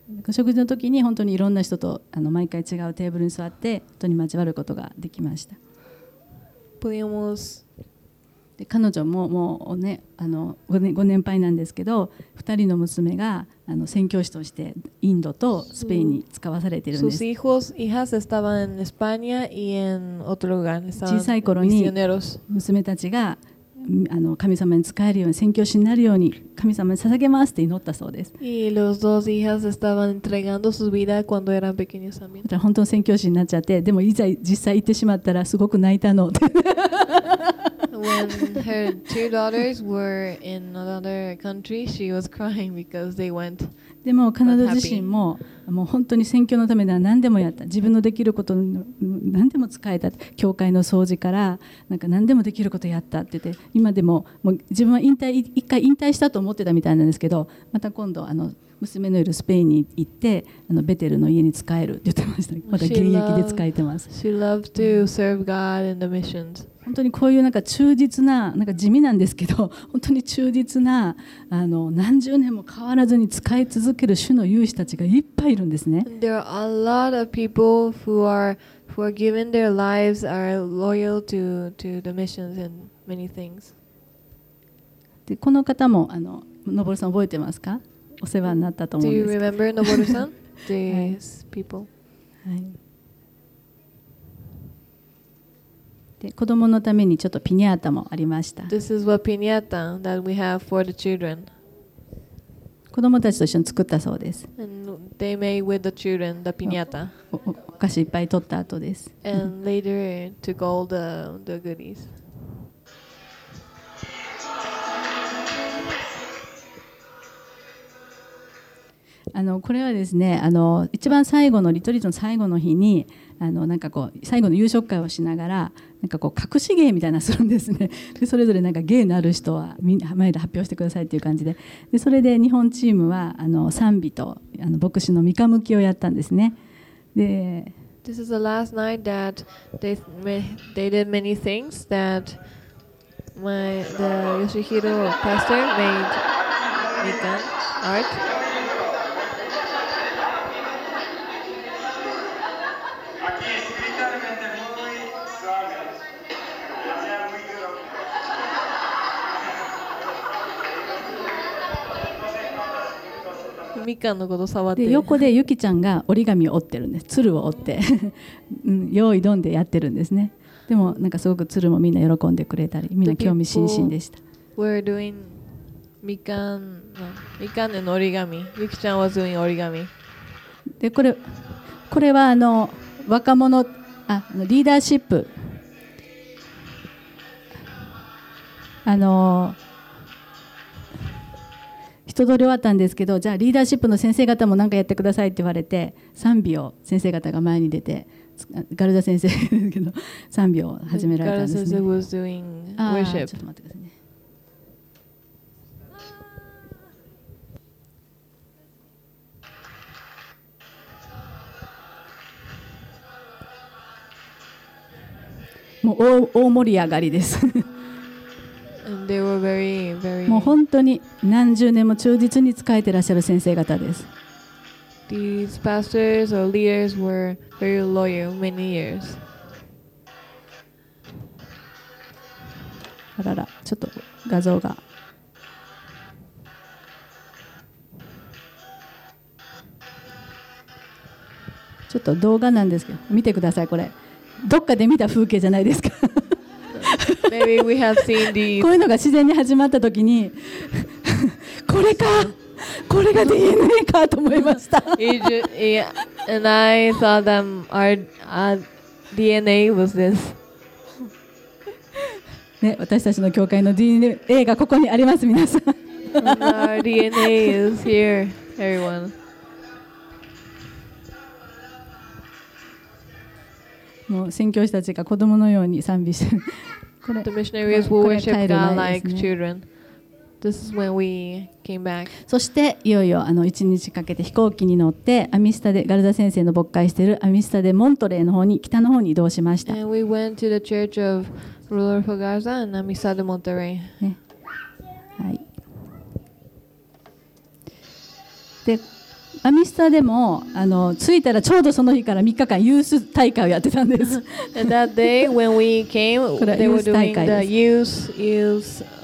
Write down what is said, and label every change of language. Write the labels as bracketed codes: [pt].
[ja] 食事の時に本当にいろんな人と毎回違うテーブルに座って本当に交わることができました。で彼女ももうね、ご年配なんですけど、2人の娘が宣教師としてインドとスペインに使わされているんです。 [es] Sus hijos, hijas estaban en España y en otro lugar. [ja] 小さい頃に娘たちが神様に使えるように、宣教師になるように神様に捧げますって祈ったそうです。 [es] Y los dos hijas estaban entregando sus vidas cuando eran pequeños también. [ja] 本当に宣教師になっちゃって、でもいざ実際行ってしまったらすごく泣いたの [en] When her two daughters were in another country, she was crying because they went. [ja] でも彼女自身も、もう本当に宣教のためなら何でもやった、自分のできること何でも使えた、教会の掃除からなんか何でもできることやったって言って、今でも、もう自分は引退、一回引退したと思ってたみたいなんですけど、また今度娘のいるスペインに行って、あのベテルの家に使えるって言ってました。まだ現役で使えてます。 [en] She loved to serve God in the missions. [ja] 本当にこういうなんか忠実な、なんか地味なんですけど、本当に忠実な、あの何十年も変わらずに使い続ける主の勇士たちがいっぱいいるんですね。 [en] There are a lot of people who are given their lives are loyal to the missions and many things. [ja] でこの方もあの。のぼるさん覚えてますか？お世話になったと思うんですけど。 [en] Do you remember のぼるさん These people. [ja] はい。で、子供のためにちょっとピニャータもありました。 [en] This is what piñata that we have for the children. [ja] 子供たちと一緒に作ったそうです。 [en] And they made with the children the piñata. [ja] お菓子いっぱい取った後です。 [en] And later took all the goodies. [ja] あのこれはですね、あの一番最後のリトリートの最後の日に、あのなんかこう最後の夕食会をしながら、なんかこう隠し芸みたいなするんですね。でそれぞれなんか芸のある人は前で発表してくださいっていう感じ でそれで日本チームはあの賛美とあの牧師のみかむきをやったんですね。で [en] This is the last night that they did many things that the Yoshihiro pastor made mikan art [ja] みかんのこと触ってで横でゆきちゃんが折り紙を折ってるんです。鶴を折って用意どんでやってるんですね。でもなんかすごく鶴もみんな喜んでくれたり、みんな興味津々でした。 [en] We're doing [ja] みかんの折り紙。ゆきちゃんは [en] doing [ja] 折り紙で、これはあの若者、あのリーダーシップ、あの人通り終わったんですけど、じゃあリーダーシップの先生方も何かやってくださいって言われて、賛美を先生方が前に出て、ガルダ先生ですけど賛美を始められたんですね。 [en] ガルダ先生 was doing worship。 [ja] ちょっと待ってくださいね。もう 大盛り上がりです [en] And they were very, very [ja] もう本当に何十年も忠実に仕えてらっしゃる先生方です。 [en] These pastors or leaders were very loyal many years. [ja] あらら、ちょっと画像が。ちょっと動画なんですけど、見てください、これ。どっかで見た風景じゃないですか。 [en] Maybe we have seen these. [ja] こういうのが自然に始まったときにこれか、これが DNA かと思いました。 [en] And I thought that our DNA was this、 [ja] ね、私たちの教会の DNA がここにあります、皆さん。 [en] Our DNA is here, everyone. [ja] もう宣教師たちが子供のように賛美してる。これ、 [en] The missionaries will worship God like children. This is when we came back. [ja] そしていよいよあの1日かけて飛行機に乗って、アミスタでガルダ先生の牧会しているアミスタでモントレーの方に、北の方に移動しました。 [en] And we went to the church of Rodolfo Garza and Amistad de Monterrey.、ね、 [ja] はい。で、アミスタでもあの着いたらちょうどその日から3日間ユース大会をやってたんです。 [en] And that day when we came they were doing the youth